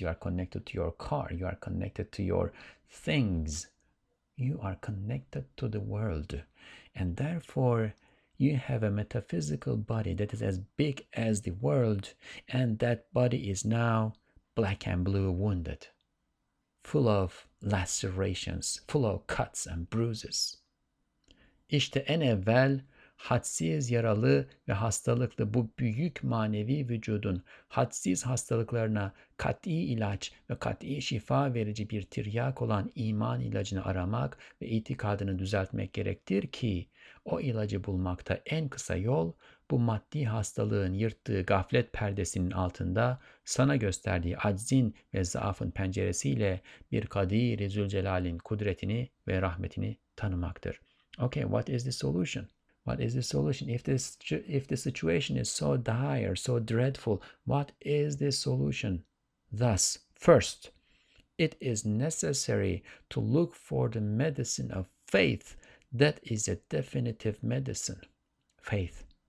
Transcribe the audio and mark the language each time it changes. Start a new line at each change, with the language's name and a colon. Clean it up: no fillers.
English: You are connected to your car. You are connected to your things. You are connected to the world. And therefore, You have a metaphysical body that is as big as the world, and that body is now black and blue wounded, full of lacerations, full of cuts and bruises.
Turkish: İşte en evvel hadsiz yaralı ve hastalıklı bu büyük manevi vücudun hadsiz hastalıklarına kat'i ilaç ve kat'i şifa verici bir tiryak olan iman ilacını aramak ve itikadını düzeltmek gerektir ki o ilacı bulmakta en kısa yol bu maddi hastalığın yırttığı gaflet perdesinin altında sana gösterdiği aczin ve zaafın penceresiyle bir Kadir-i Zülcelal'in kudretini ve rahmetini tanımaktır.
English: Okay, what is the solution? What is the solution? If the situation is so dire, so dreadful, what is the solution? Thus, first, it is necessary to look for the medicine of faith that is a definitive medicine. Faith.